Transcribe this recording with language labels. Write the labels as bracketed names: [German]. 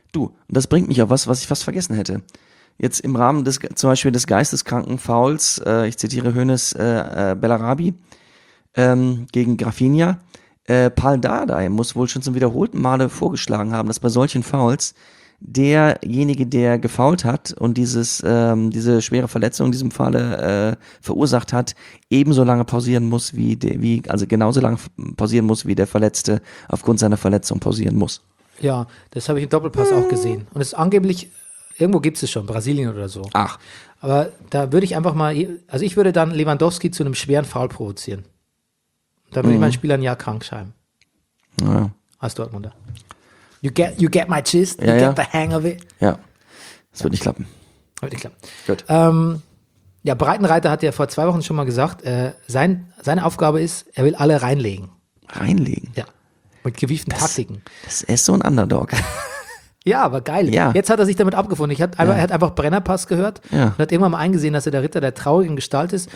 [German] Du, das bringt mich auf was, was ich fast vergessen hätte. Jetzt im Rahmen des zum Beispiel des geisteskranken Fouls, ich zitiere Hoeneß, Bellarabi gegen Grafinha, Pal Dardai muss wohl schon zum wiederholten Male vorgeschlagen haben, dass bei solchen Fouls derjenige, der gefoult hat und dieses diese schwere Verletzung in diesem Falle verursacht hat, ebenso lange pausieren muss wie genauso lange pausieren muss wie der Verletzte aufgrund seiner Verletzung pausieren muss. Ja, das habe ich im Doppelpass auch gesehen und es ist angeblich irgendwo gibt es schon Brasilien oder so. Ach, aber da würde ich einfach mal, also ich würde dann Lewandowski zu einem schweren Foul provozieren. Da würde ich meinen Spielern ja krank schreiben. Ja. Als Dortmunder. [English] You get my gist, get the hang of it. [German] Ja, das wird nicht klappen. Wird nicht klappen. Gut. Ja, Breitenreiter hat ja vor 2 Wochen schon mal gesagt, seine Aufgabe ist, er will alle reinlegen. Reinlegen? Ja, mit gewieften Taktiken. Das ist so ein Underdog. Ja, aber geil. Ja. Jetzt hat er sich damit abgefunden. Er hat einfach Brennerpass gehört und hat irgendwann mal eingesehen, dass er der Ritter der traurigen Gestalt ist.